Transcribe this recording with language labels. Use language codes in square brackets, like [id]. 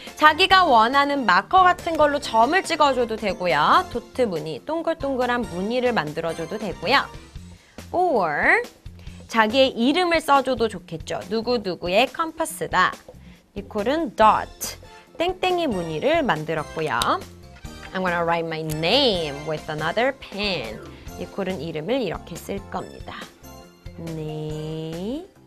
[ko] 자기가 원하는 마커 같은 걸로 점을 찍어줘도 되고요. 도트 무늬, 동글동글한 무늬를 만들어줘도 되고요. Or 자기의 이름을 써줘도 좋겠죠. 누구누구의 컴파스다. 니콜은 dot, 땡땡이 무늬를 만들었고요. [en] I'm gonna write my name with another pen. [ko] 니콜은 이름을 이렇게 쓸 겁니다. 네.